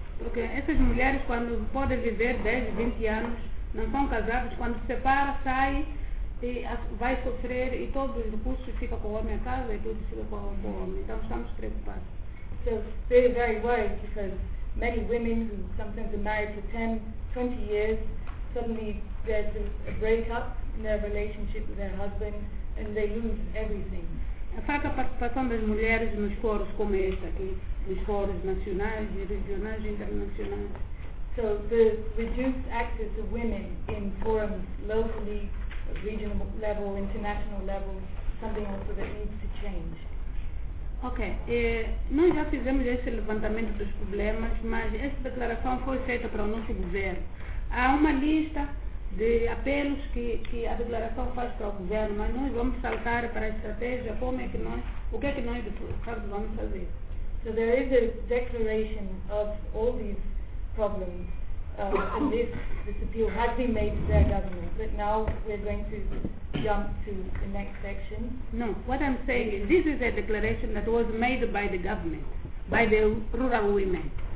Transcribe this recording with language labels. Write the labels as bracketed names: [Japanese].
[Portuguese] Porque essas mulheres, quando podem viver 10, 20 anos, não são casadas, quando se separa, sai e vai sofrer e todos os recursos ficam com o homem a casa e tudo fica com o homem. Então estamos preocupados. [English] So very, very worried because many women who sometimes are married for 10, 20 years, suddenly there's a breakup in their relationship with their husband. And they lose everything. [Portuguese] A fraca participação das mulheres nos foros como este aqui, nos foros nacionais, regionais e internacionais. [English] So the reduced access of women in forums locally, regional level, international level, something also that needs to change. [Portuguese] Ok, nós já fizemos esse levantamento dos problemas, mas essa declaração foi feita para o nosso governo. Há uma lista de apelos que a declaração faz para o governo, mas nós vamos saltar para a estratégia, como é que nós, o que é que nós depois vamos fazer. [English] So there is a declaration of all these problems, and this appeal has been made to their government, but now we're going to jump to the next section. No, what I'm saying is this is a declaration that was made by the government, by the rural women.